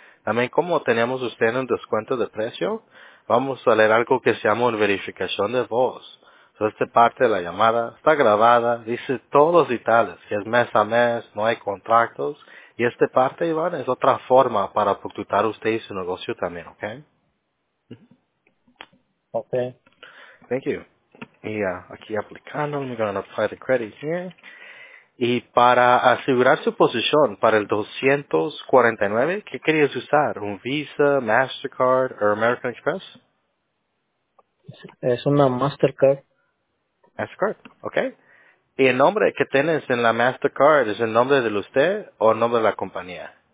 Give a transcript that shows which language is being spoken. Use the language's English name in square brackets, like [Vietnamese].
[Spanish] También como tenemos usted en un descuento de precio, vamos a leer algo que se llama una verificación de voz. Esta parte de la llamada está grabada, dice todos los detalles, que es mes a mes, no hay contratos. Y esta parte, Iván, es otra forma para facturar usted y su negocio también, ¿ok? Ok. [English] Thank you. [Spanish] Y aquí aplicando, [English] I'm going to apply the credit here. [Spanish] Y para asegurar su posición para el 249, ¿qué querías usar? ¿Un Visa, Mastercard o American Express? Es una Mastercard. Mastercard, okay. ¿Y el nombre que tienes en la Mastercard es el nombre de usted o el nombre de la compañía?